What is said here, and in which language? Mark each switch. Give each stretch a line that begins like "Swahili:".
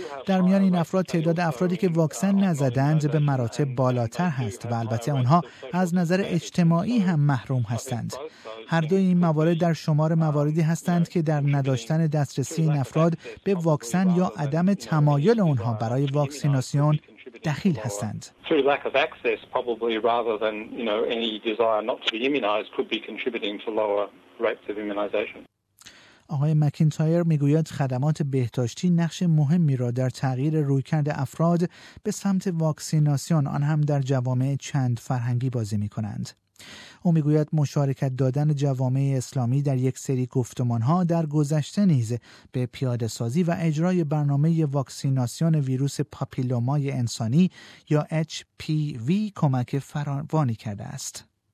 Persian: در میان این افراد تعداد افرادی که واکسن نزدند به مراتب بالاتر هست و البته آنها از نظر اجتماعی هم محروم هستند. هر دوی این موارد در شمار مواردی هستند که در نداشتن دسترسی این افراد به واکسن یا عدم تمایل آنها برای واکسیناسیون دخیل هستند.
English: Through lack of access, probably rather than, you know, any desire not to be immunized, could be contributing to lower rates of immunization.
Persian: آقای مکینتایر میگوید خدمات بهداشتی نقش مهمی را در تغییر رویکرد افراد به سمت واکسیناسیون آن هم در جوامع چند فرهنگی بازی می‌کنند. او میگوید مشارکت دادن جوامع اسلامی در یک سری گفتمان‌ها در گذشته نیز به پیاده‌سازی و اجرای برنامه واکسیناسیون ویروس پاپیلومای انسانی یا HPV کمک فراوانی کرده است.